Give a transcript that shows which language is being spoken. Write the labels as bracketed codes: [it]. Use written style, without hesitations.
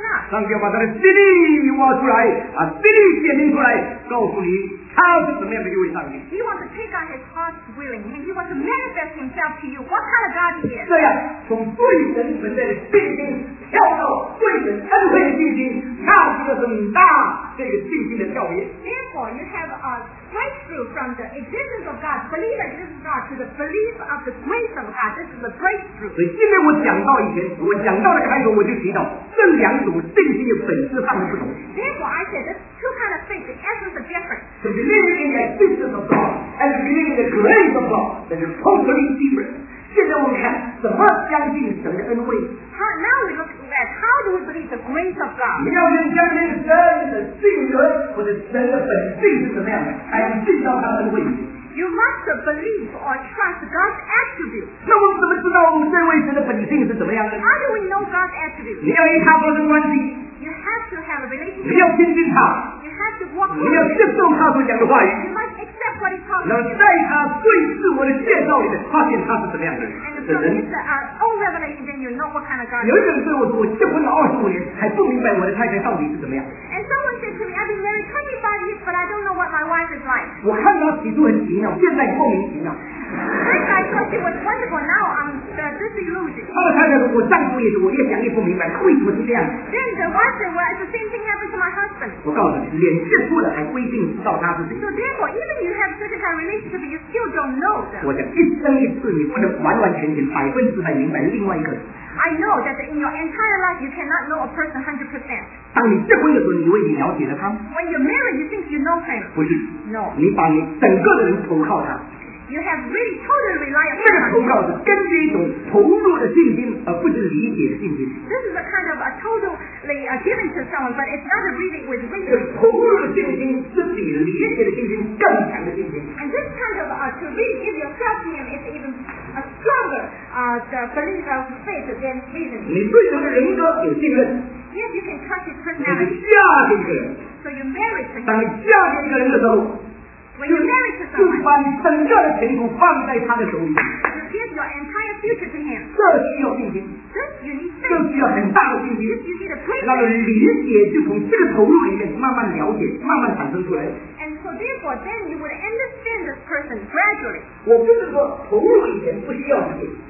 [zh] 上帝把他的真理挖出来，把真理显明出来，告诉你他是怎么样的一位上帝。 [en] He wants to take out his heart's willing, and he wants to manifest himself to you. What kind of God he is? [zh] 对呀，从对神存在的信心跳到对神恩惠的信心，那是个很大这个信心的跳跃。 [en] Therefore, you have a breakthrough from the existence of God, belief in existence of God, to the belief of the grace of God. This is a breakthrough. [zh] 所以今天我讲到以前，我讲到的开头我就提到这两种信心的本质上的不同。 [en] Therefore, I said this two kind of faith, the essence of difference. To believe in the existence of God and believe in the grace of God, that is totally different. [zh] 现在我们看怎么相信神的恩惠。 [en] Now we look at how do we believe the grace of God? [zh] 你要先相信神的性格或者神的本性是怎么样的，才能进到他的恩惠。 [en] You must believe or trust God's attributes. [zh] 那我们怎么知道我们这位神的本性是怎么样的？ [en] How do we know God's attributes? [zh] 你要与他发生关系。 [en] You have to have a relationship. [zh] 你要亲近他。 [en] You have to walk with him. [zh] 你要接受他所讲的话语。 [en] You must accept what he's talking about. [zh] 那在他对自我的介绍里面，发现他是怎么样的人。 [en] So it's an old revelation, then you know what kind of God you are. [zh] 有一个人对我说，我结婚了25年，还不明白我的太太到底是怎么样。 [en] And someone said to me, I've been married 25 years, but I don't know what my wife is like. [zh] 我看到起初很奇妙，现在莫名其妙。 [en] This guy thought she was wonderful, now I'm disillusioned. [zh] 他的太太说，我丈夫也是，我越想越不明白，为什么是这样。 [en] Then the wife said, well, it's the same thing happened to my husband. [zh] 我告诉你，脸见过了，还不一定知道他是谁。 [en] So therefore, even you have certain kind of relationship, you still don't know them. [zh] 我的一生一世，你不能完完全全100%明白另外一个人。 [en] I know that in your entire life you cannot know a person 100%. [zh] 当你结婚的时候，你以为你了解了他。 [en] When you're married, you think you know him. [zh] 不是。 [en] No. [zh] 你把你整个的人投靠他。 [en] You have really totally relied upon him. [zh] 这个投靠是根据一种投入的信心，而不是理解的信心。 [en] This is a kind of a totally given to someone, but it's not a really with reason. [zh] 这个投入的信心是比理解的信心更强的信心。 [en] And this kind of to really give yourself to him is even. The belief of faith than reason. [zh] 你对他的人格有信任。 [en] Yes, you can trust his personality. [zh] 你嫁给一个人。 [en] So you marry to him. [zh] 当你嫁给一个人的时候。 [en] When you marry to someone. [zh] 就把你整个的前途放在他的手里。 [en] You give your entire future to him. [zh] 这需要信心。 [en] This you need faith. [zh] 这需要很大的信心。 [en] This you need a great faith. [zh] 那个理解就从这个投入里面慢慢了解，慢慢产生出来。 [en] And so therefore, then you would understand this person gradually. [zh] 我不是说投入以前不需要理解。